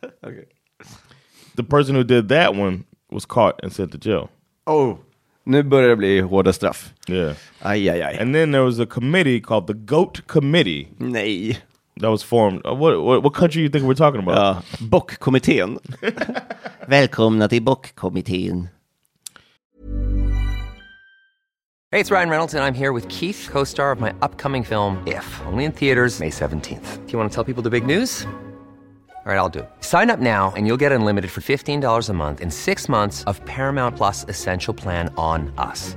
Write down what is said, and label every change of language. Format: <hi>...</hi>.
<en>Okay. The person who did that one was caught and sent to jail.</en> <sv>Oh, nu börjar det bli hårda straff.</sv> <en>Yeah.</en> <sv>Aj, aj, aj.</sv> <en>And then there was a committee called the Goat Committee.</en> <sv>Nej.</sv> <en>That was formed. What country do you think we're talking about?</en> <sv>Bockkommittén. Välkomna till Bockkommittén.</sv> <en>Hey, it's Ryan Reynolds, and I'm here with Keith, co-star of my upcoming film, If, only in theaters May 17th. Do you want to tell people the big news? All right, I'll do. Sign up now and you'll get unlimited for $15 a month and 6 months of Paramount Plus Essential Plan on us.</en>